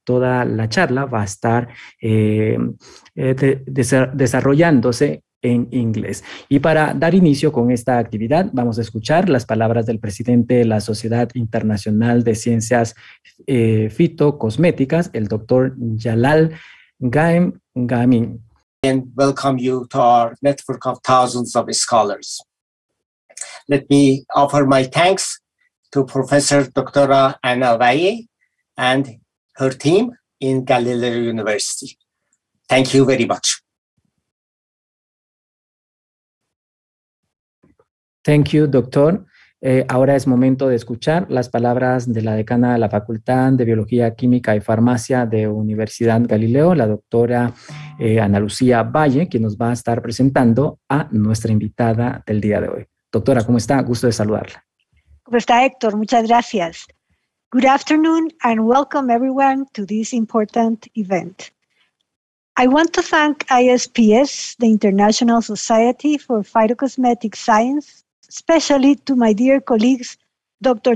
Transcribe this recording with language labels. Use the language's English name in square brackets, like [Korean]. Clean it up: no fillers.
[Spanish] Toda la charla va a estar desarrollándose en inglés. Y para dar inicio con esta actividad, vamos a escuchar las palabras del presidente de la Sociedad Internacional de Ciencias Fitocosméticas, el doctor Jalal Ghamin. [English] And welcome you to our network of thousands of scholars. Let me offer my thanks to Professor Doctora Anna Valle and her team in Galileo University. Thank you very much. Thank you, doctor. [Spanish] Ahora es momento de escuchar las palabras de la decana de la Facultad de Biología, Química y Farmacia de Universidad Galileo, la doctora Ana Lucía Valle, quien nos va a estar presentando a nuestra invitada del día de hoy. Doctora, ¿cómo está? Gusto de saludarla. ¿Cómo está, Héctor? Muchas gracias. [English] Good afternoon and welcome everyone to this important event. I want to thank ISPS, the International Society for Phytocosmetic Science, especially to my dear colleagues, Dr.